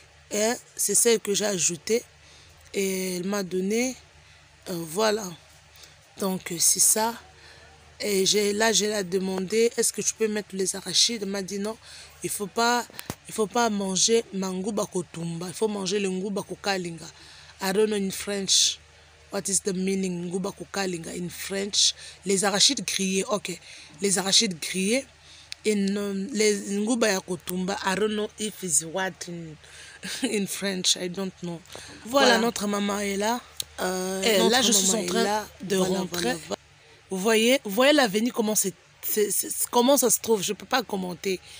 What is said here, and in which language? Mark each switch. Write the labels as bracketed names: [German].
[French] Et c'est celle que j'ai ajoutée. Et elle m'a donné. Voilà. Donc, c'est ça. Et j'ai demandé, est-ce que je peux mettre les arachides? Elle m'a dit non, il faut pas manger mangouba kotumba. Il faut manger le ngouba kokalinga. [English] I don't know in French, what is the meaning ngouba kokalinga in French? [French] Les arachides grillés, ok. Les arachides grillés. [English] Les ngouba ya kotumba, I don't know if it's what in French, I don't know. [French] Voilà, notre maman est là. Là, je suis en train de rentrer. Vous voyez l'avenir, comment ça se trouve, je ne peux pas commenter.